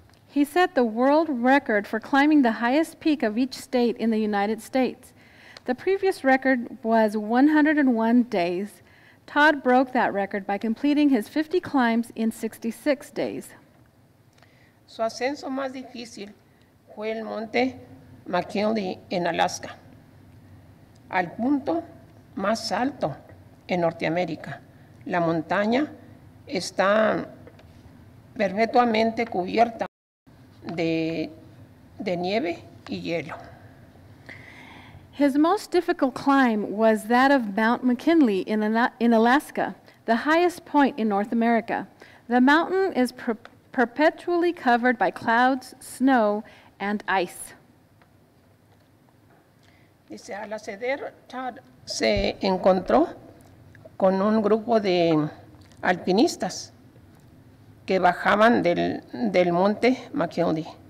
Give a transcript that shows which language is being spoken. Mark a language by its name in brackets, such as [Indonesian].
[English] He set the world record for climbing the highest peak of each state in the United States. The previous record was 101 days. Todd broke that record by completing his 50 climbs in 66 days. [Spanish] Su ascenso más difícil fue el monte McKinley en Alaska, al punto más alto en Norteamérica. La montaña está perpetuamente cubierta de nieve y hielo. [English] His most difficult climb was that of Mount McKinley in Alaska, the highest point in North America. The mountain is perpetually covered by clouds, snow, and ice. [Spanish] Dice, al acceder, Todd se encontró con un grupo de alpinistas que bajaban del monte McKinley.